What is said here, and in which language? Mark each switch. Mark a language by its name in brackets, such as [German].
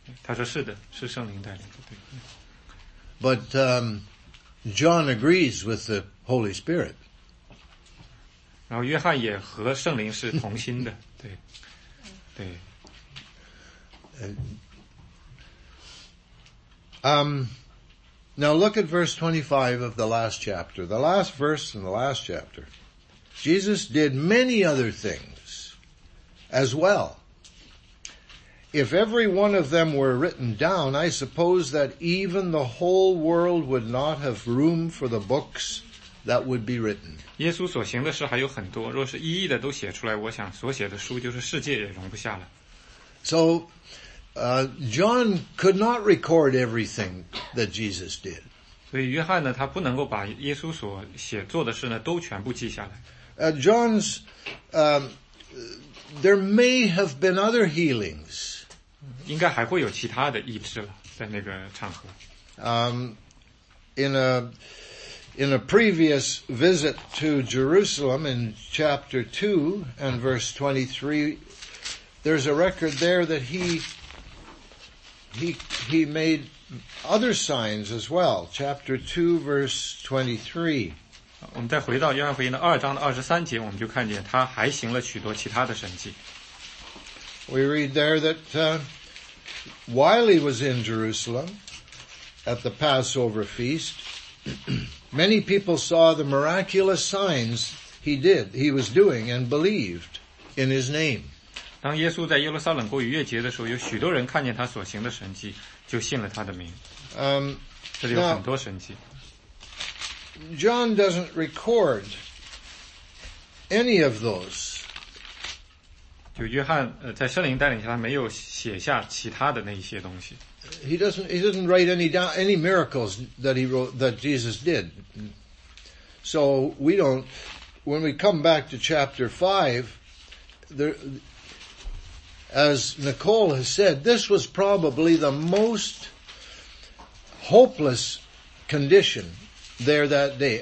[Chinese] 他说是的，是圣灵带领的。 [English] But John agrees with the Holy Spirit. [Chinese] 然后约翰也和圣灵是同心的，对，对。 [English] Now look at verse 25 of the last chapter. The last verse in the last chapter. Jesus did many other things as well. If every one of them were written down, I suppose that even the whole world would not have room for the books that would be written. [Chinese] 耶稣所行的事还有很多，若是一一的都写出来，我想所写的书就是世界也容不下了。 [English] So, John could not record everything that Jesus did. [Chinese] 所以约翰呢，他不能够把耶稣所写做的事呢都全部记下来。 [English] John's, there may have been other healings. [Chinese] 应该还会有其他的医治了，在那个场合。 [English] In a previous visit to Jerusalem in chapter 2 and verse 23, there's a record there that he made other signs as well. Chapter 2, verse 23. [Chinese] 我们再回到约翰福音的二章的二十三节，我们就看见他还行了许多其他的神迹。 [English] We read there that while he was in Jerusalem at the Passover feast, many people saw the miraculous signs he was doing, and believed in his name. [Chinese] 当耶稣在耶路撒冷过逾越节的时候，有许多人看见他所行的神迹，就信了他的名。这里有很多神迹。 [English] John doesn't record any of those. [Chinese] 就约翰在圣灵带领下，他没有写下其他的那一些东西。 [English] He doesn't write any miracles that Jesus did. So we don't. When we come back to chapter 5, there. as Nicole has said, this was probably the most hopeless condition there that day.